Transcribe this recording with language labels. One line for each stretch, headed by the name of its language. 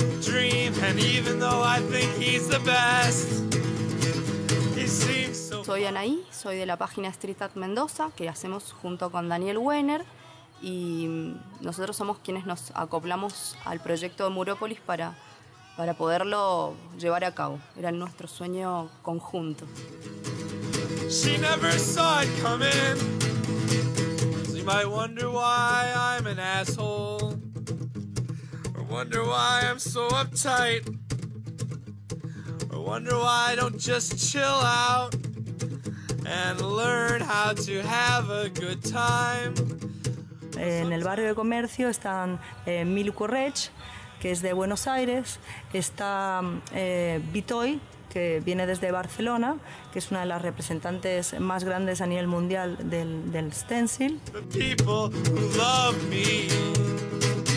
English: dream, and even though I think he's the best, he seems so...
Spanish: Soy Anaí, soy de la página Street Art Mendoza, que hacemos junto con Daniel Wenner, y nosotros somos quienes nos acoplamos al proyecto de Murópolis para poderlo llevar a cabo. Era nuestro sueño conjunto.
English: She never saw it coming. You might wonder why I'm an asshole, or wonder why I'm so uptight, or wonder why I don't just chill out and learn how to have a good time.
Spanish: En el barrio de comercio están Mil Correch, que es de Buenos Aires, está Bitoy, que viene desde Barcelona, que es una de las representantes más grandes a nivel mundial del stencil.
English: The people who love me.